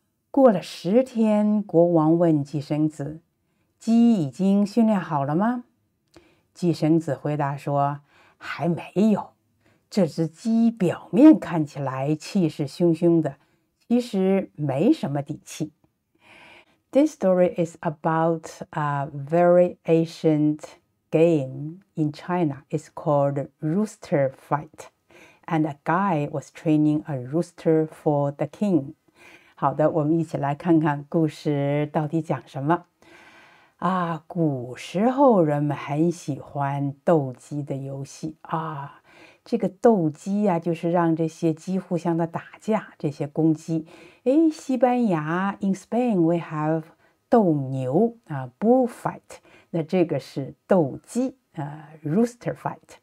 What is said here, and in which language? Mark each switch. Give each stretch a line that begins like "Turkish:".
Chinese: 过了10天，国王问季绳子：“鸡已经训练好了吗？” 季绳子回答说：“还没有。这只鸡表面看起来气势汹汹的，其实没什么底气。
English: ”This story is about a very ancient game in China. It's called rooster fight, and a guy was training a rooster for the king.
Chinese: 好的，我们一起来看看故事到底讲什么。啊，古时候人们很喜欢斗鸡的游戏啊，这个斗鸡呀，就是让这些鸡互相的打架，这些公鸡。哎，西班牙，
English: in Spain we have
Chinese: 斗牛啊，bullfight，那这个是斗鸡
English: rooster fight。